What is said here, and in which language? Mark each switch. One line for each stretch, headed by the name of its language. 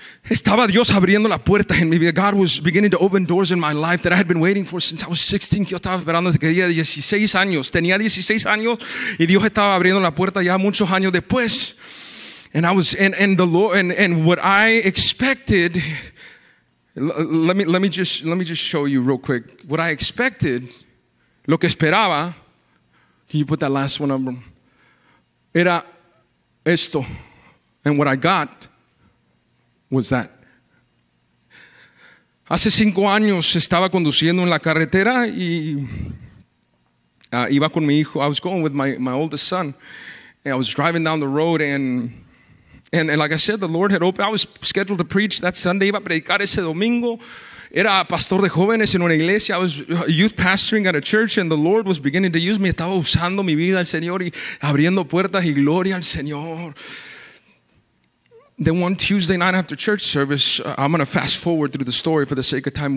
Spanish: Estaba Dios abriendo las puertas en mi vida.
English: God was beginning to open doors in my life that I had been waiting for since I was 16.
Spanish: Yo estaba esperando desde que tenía 16 años. Tenía 16 años y Dios estaba abriendo la puerta ya muchos años después.
English: And I was and the Lord and what I expected. Let me just show you real quick what I expected.
Spanish: Lo que esperaba.
English: Can you put that last one up?
Spanish: Era esto,
English: and what I got was that.
Spanish: Hace 5 años estaba conduciendo en la carretera y iba con mi hijo.
English: I was going with my oldest son. And I was driving down the road and like I said, the Lord had opened. I was scheduled to preach that Sunday.
Spanish: Iba a predicar ese domingo. Era pastor de jóvenes en una iglesia.
English: I was youth pastoring at a church and the Lord was beginning to use me.
Spanish: Estaba usando mi vida al Señor y abriendo puertas y gloria al Señor.
English: Then one Tuesday night after church service, I'm going to fast forward through the story for the sake of time.